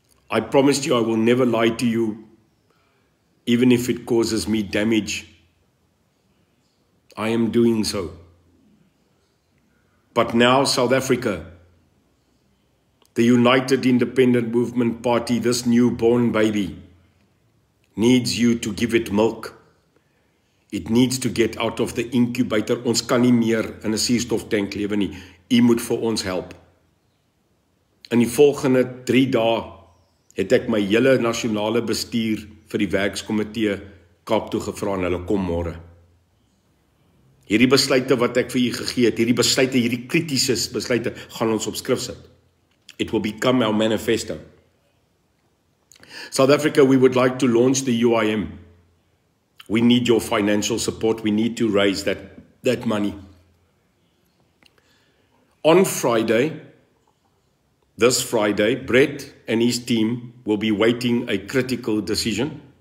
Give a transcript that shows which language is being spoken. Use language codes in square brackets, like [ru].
[en] I promised you I will never lie to you, even if it causes me damage. I am doing so. But now, South Africa, the United Independent Movement Party, this newborn baby, needs you to give it milk. It needs to get out of the incubator. [af] Ons kan nie meer in 'n suurstof tank lewe nie. U moet vir ons help. In die volgende 3 dae het ek my hele nasionale bestuur vir die werkskomitee Kaap toe gevra en hulle kom môre. Hierdie besluite wat ek vir u gegee het, hierdie besluite, hierdie kritiese besluite gaan ons op skrif sit. [en] It will become our manifesto. South Africa, we would like to launch the UIM. We need your financial support. We need to raise that money. On Friday, this Friday, Brett and his team will be waiting a critical decision.